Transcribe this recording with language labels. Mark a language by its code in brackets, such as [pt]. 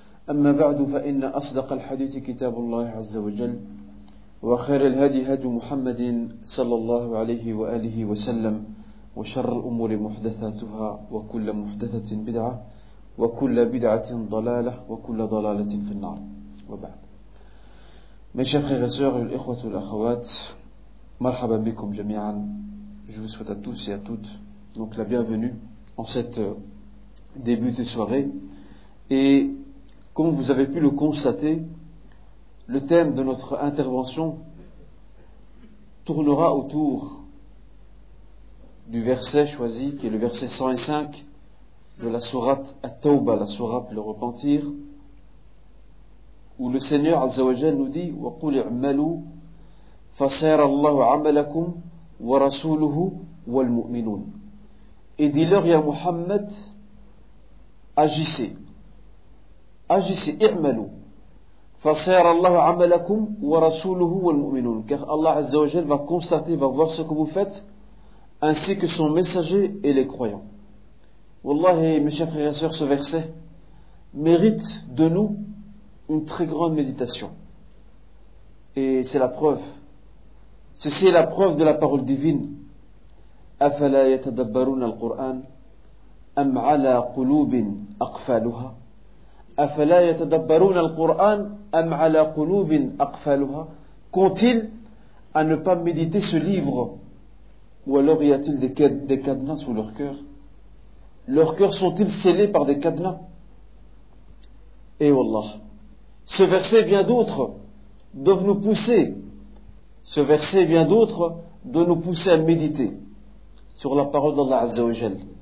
[ar] أما بعد فإن أصدق الحديث كتاب الله عز وجل وخير الهدي هدي محمد صلى الله عليه وآله وسلم وشر الأمور محدثاتها وكل محدثة بدعة وكل بدعة ضلالة وكل ضلالة في النار وبعد مشايخ وسؤال الإخوة والأخوات مرحبا بكم جميعا [fr] Je vous souhaite à tous et à toutes donc la bienvenue en cette début de soirée. Et comme vous avez pu le constater, le thème de notre intervention tournera autour du verset choisi, qui est le verset 105 de la sourate At-Tawbah, la sourate le repentir, où le Seigneur Azza wa Jalla nous dit « [ar] وَقُلْ اِعْمَلُوا فَسَيَرَ اللَّهُ عَمَلَكُمْ ورسوله والمؤمنون. [fr] Et dis-leur, [ar] يا محمد, [fr] agissez, [ar] اعملوا, فسير الله عملكم ورسوله والمؤمنون. [fr] Car Allah Azza wa Jal va constater, va voir ce que vous faites, ainsi que son messager et les croyants. [ar] والله, [fr] mes chers frères et sœurs, ce verset mérite de nous une très grande méditation. Et c'est la preuve. Ceci est la preuve de la parole divine. [ar] أَفَلَا يَتَدَبَّرُونَ الْقُرْآنَ أَمْ عَلَى قُلُوبٍ أَقْفَالُهَا أَفَلَا يَتَدَبَّرُونَ الْقُرْآنَ أَمْ عَلَى قُلُوبٍ أَقْفَالُهَا [fr] Qu'ont-ils à ne pas méditer ce livre? Ou alors y a-t-il des cadenas sous leur cœur? Leurs cœurs sont-ils scellés par des cadenas? Et wallah, ce verset et bien d'autres doivent nous pousser. Ce verset et bien d'autres doivent nous pousser à méditer sur la parole d'Allah Azza wa Jal.